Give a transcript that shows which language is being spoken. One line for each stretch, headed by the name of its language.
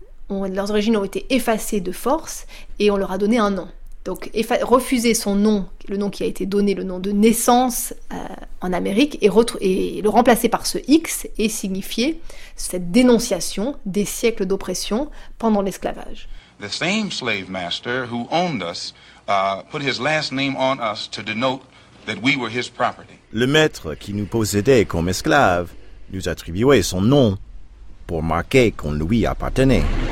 French: Leurs origines ont été effacées de force et on leur a donné un nom. Donc refuser son nom, le nom qui a été donné, le nom de naissance en Amérique, et le remplacer par ce X et signifier cette dénonciation des siècles d'oppression pendant l'esclavage.
English: The same slave master who owned us put his last name on us to denote that we were his property.
French: Le maître qui nous possédait comme esclaves nous attribuait son nom pour marquer qu'on lui appartenait.